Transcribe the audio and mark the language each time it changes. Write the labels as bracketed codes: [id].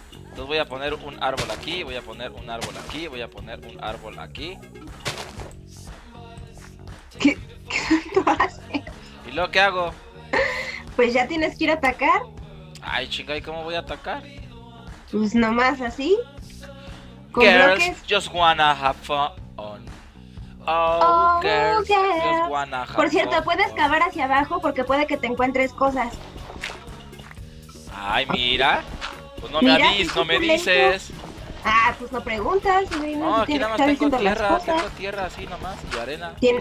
[es] Entonces voy a poner un árbol aquí, voy a poner un árbol aquí, voy a poner un árbol aquí. ¿Qué tanto haces? ¿Y luego qué hago? Pues ya tienes que ir a atacar. Ay, chinga, ¿y cómo voy a atacar? Pues nomás así. [en] Girls just wanna have fun. Oh, girls. [es] Por cierto, puedes cavar hacia abajo porque puede que te encuentres cosas. Ay, mira. Pues no me avises, no me dices. Ah, pues no preguntas. No, aquí nada más tengo tierra, así nomás y arena.